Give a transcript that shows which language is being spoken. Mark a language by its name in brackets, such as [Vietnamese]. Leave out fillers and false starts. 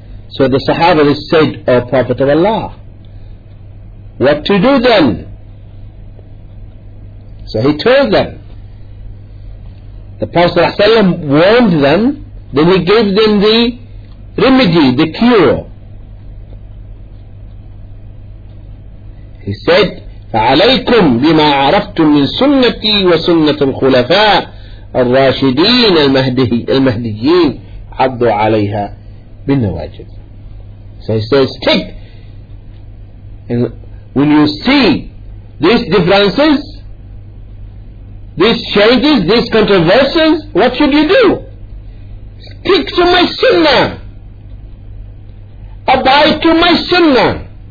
[English] So the Sahaba said, O Prophet of Allah, what to do then? So he told them. The Prophet ﷺ warned them, then he gave them the remedy, the cure. He said, [Arabic] فَعَلَيْكُمْ بِمَا عَرَفْتُمْ مِنْ سُنَّتِي وَسُنَّةُ الْخُلَفَاءِ الرَّاشِدِينَ الْمَهْدِيِّينَ عَضُّوا عَلَيْهَا بِالنَّوَاجِبِ. [English] So he says, stick. And when you see these differences, these changes, these controversies, what should you do? Stick to my sunnah. Abide to my sunnah.